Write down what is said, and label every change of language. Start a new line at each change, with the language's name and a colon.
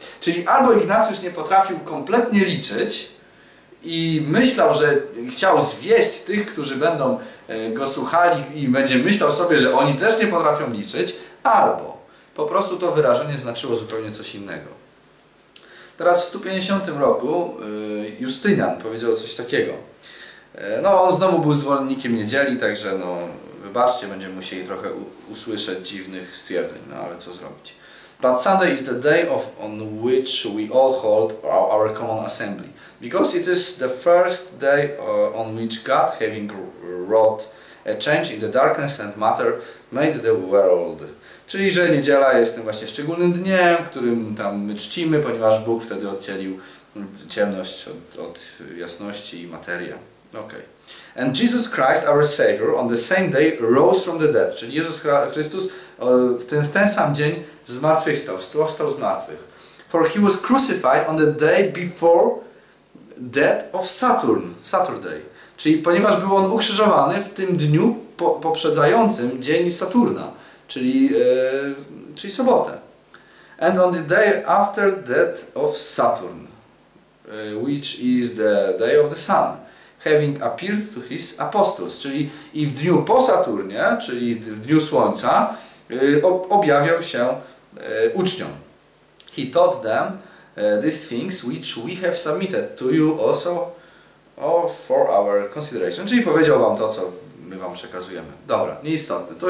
Polish: Czyli albo Ignacjusz nie potrafił kompletnie liczyć i myślał, że chciał zwieść tych, którzy będą go słuchali i będzie myślał sobie, że oni też nie potrafią liczyć, albo po prostu to wyrażenie znaczyło zupełnie coś innego. Teraz w 150 roku Justynian powiedział coś takiego. No, on znowu był zwolennikiem niedzieli, także no, wybaczcie, będziemy musieli trochę usłyszeć dziwnych stwierdzeń, no ale co zrobić.
English: But Sunday is the day on which we all hold our common assembly. Because it is the first day on which God, having wrought a change in the darkness and matter, made the world.
Polish: Czyli, że niedziela jest tym właśnie szczególnym dniem, w którym tam my czcimy, ponieważ Bóg wtedy oddzielił ciemność od jasności i materię. Okay.
English: And Jesus Christ, our Savior, on the same day rose from the dead.
Polish: Czyli Jezus Chrystus w ten sam dzień wstał z martwych.
English: For he was crucified on the day before death of Saturn, Saturday.
Polish: Czyli ponieważ był on ukrzyżowany w tym dniu poprzedzającym dzień Saturna, czyli sobotę.
English: And on the day after death of Saturn, which is the day of the sun, having appeared to his apostles.
Polish: Czyli i w dniu po Saturnie, czyli w dniu Słońca, objawiał się uczniom.
English: He taught them these things which we have submitted to you also for our consideration.
Polish: Czyli powiedział wam to, co my wam przekazujemy. Dobra, nieistotne.